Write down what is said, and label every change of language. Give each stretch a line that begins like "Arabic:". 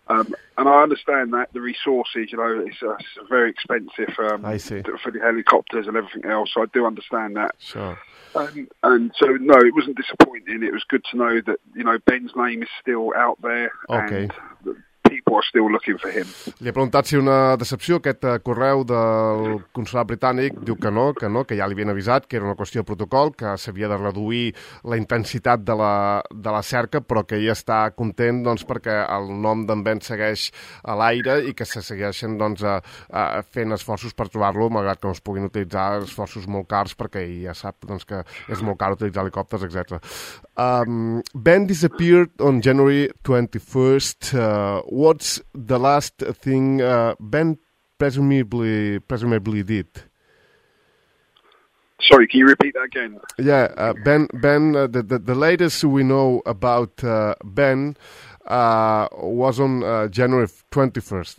English: And I understand that, the resources, you know, it's very expensive I see. For the helicopters and everything else. So I do understand that. Sure. And so, no, it wasn't disappointing. It was good to know that, you know, Ben's name is still out there. Okay. And that people are still looking for him.
Catalan: Li he preguntat si una decepció aquest correu del consulat britànic. Diu que no, que ja li havien avisat, que era una qüestió de protocol, que s'havia de reduir la intensitat de la cerca, però que ell està content doncs, perquè el nom d'en Ben segueix a l'aire i que se segueixen doncs, fent esforços per trobar-lo, malgrat que no es puguin utilitzar esforços molt cars, perquè ell ja sap doncs, que és molt car utilitzar helicòpters, etc.
English: Ben disappeared on January 21st, what's the last thing Ben presumably did? Sorry, can you repeat that again? Yeah, Ben. The latest we know about Ben was on January 21st.